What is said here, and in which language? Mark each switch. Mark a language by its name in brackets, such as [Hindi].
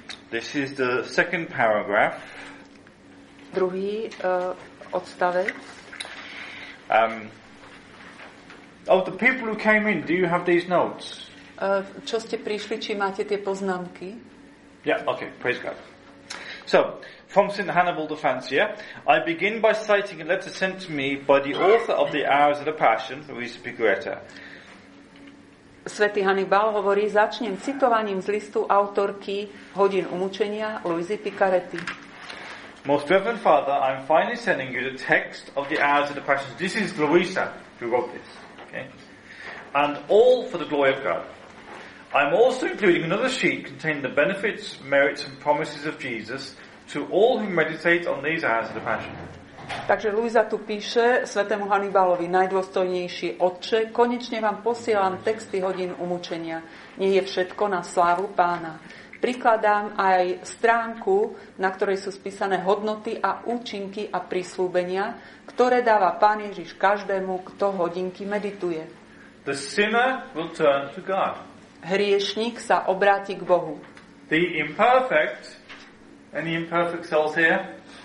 [English] This is the second paragraph. [Slovak] Druhý odstavec. [English] The people who came in, do you have these notes? [Slovak] Čo ste prišli, či máte tie poznámky? [English] Yeah, okay, praise God. So, from St. Hannibal the Fancier, I begin by citing a letter sent to me by the author of the Hours of the Passion, Luis Pigueta. [Slovak] Svätý Hannibal hovorí, začnem citovaním z listu autorky Hodín umučenia, Luisi Picaretti. [English] Most Reverend Father, I'm finally sending you the text of the Hours of the Passion. This is Louisa who wrote this. Okay? And all for the glory of God. I'm also including another sheet containing the benefits, merits and promises of Jesus to all who meditate on these Hours of the Passion. [Slovak] Takže Louisa tu píše svätému Hannibalovi, najdôstojnejší otče, konečne vám posielam texty hodín umučenia. Nie je všetko na slávu pána. Prikladám aj stránku, na ktorej sú spísané hodnoty a účinky a prisľúbenia, ktoré dáva Pán Ježiš každému, kto hodinky medituje. [English] The sinner will turn to God. [Slovak] Hriešnik sa obráti k Bohu. [English] The imperfect, any imperfect souls here?